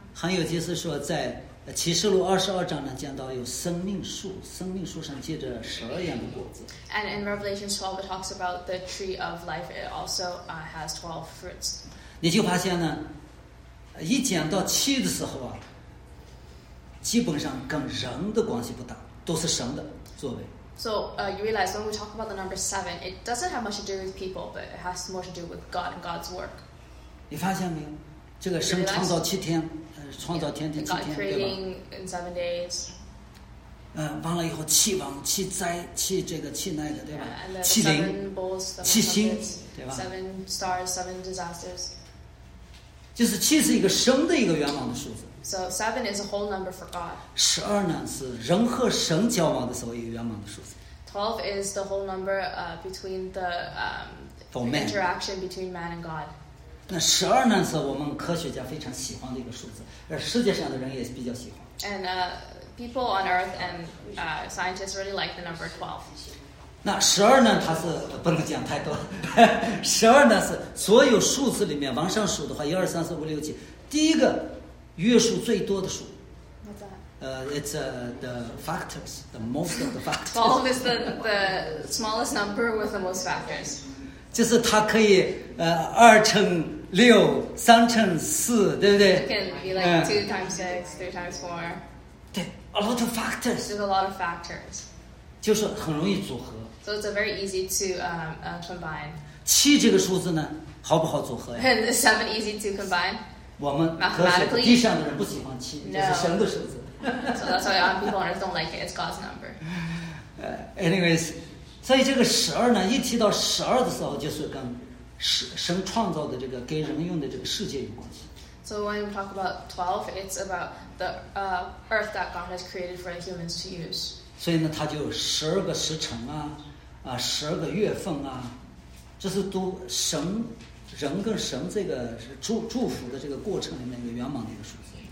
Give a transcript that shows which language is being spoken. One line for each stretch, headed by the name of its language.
Chinese: 还有就是说，在启示录22章呢，讲到有生命树，生命树上结着十二样的果子。
English: And in Revelation 12, it talks about the tree of life. It also has 12 fruits.
Chinese: 你就发现呢，一讲到七的时候基本上跟人的关系不大，都是神的作为。
English: So, you realize when we talk about the number seven, it doesn't have much to do with people, but it has more to do with God and God's work.
Chinese: 你发现没有？这个神创造七天。创造天地七天，对吧
English: ？God creating in seven days.
Chinese: 完了以后，七王、七灾、七这个、七那个，对吧？
English: Yeah,
Chinese: 七灵、
English: bowls,
Chinese: 七星，对吧
English: ？Seven stars, seven disasters.
Chinese: 就是七是一个神的一个圆满的数字。
English: So seven is a whole number for God.
Chinese: 十二呢是人和神交往的时候一个圆满的数字。
English: 12 is the whole number between the interaction between man and God.
Chinese: 那十二呢是我们科学家非常喜欢的一个数字。世界上的人也比较喜欢。
English: And people on Earth and scientists really like the number 12.
Chinese: 那十二呢？它是不能讲太多。十二呢是所有数字里面往上数的话，一二三四五六七，第一个约数最多的数。
English: What's that? It's the factors, the most of the factors. 12 is the smallest number with the most factors.
Chinese: 就是它可以二乘。六三乘四，对不对
English: ？It can be like 2 times 6, 3 times 4. 对 ，a lot of factors. There's a lot of factors.
Chinese: 就是很容易组合。
English: So it's very easy to combine.
Chinese: 七这个数字呢，好不好组合呀
English: ？And seven easy to combine.
Chinese: 我们科学地上的人不喜欢七，这是神的数字。
English: So that's why people on Earth don't like it. It's God's number. Anyways,
Chinese: 所以这个十二呢，一提到十二的时候，就是跟神创造的这个给人用的这个世界有关系。
English: So when we talk about 12, it's about the earth that God has created for humans to use.
Chinese: 所以呢，它就十二个时辰啊，啊，十二个月份啊，这是都神人跟神这个祝福的这个过程里面一个圆满的一个数字。